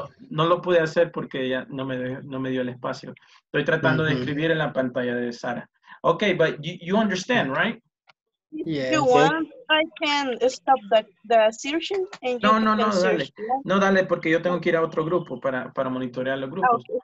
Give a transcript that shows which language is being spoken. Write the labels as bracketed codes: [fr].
[es] No lo pude hacer porque ya no me dio el espacio. Estoy tratando de escribir en la pantalla de Sara. [en] Okay, but you understand, right? If you want, I can stop the assertion. [es] No, dale, porque yo tengo que ir a otro grupo para monitorear los grupos.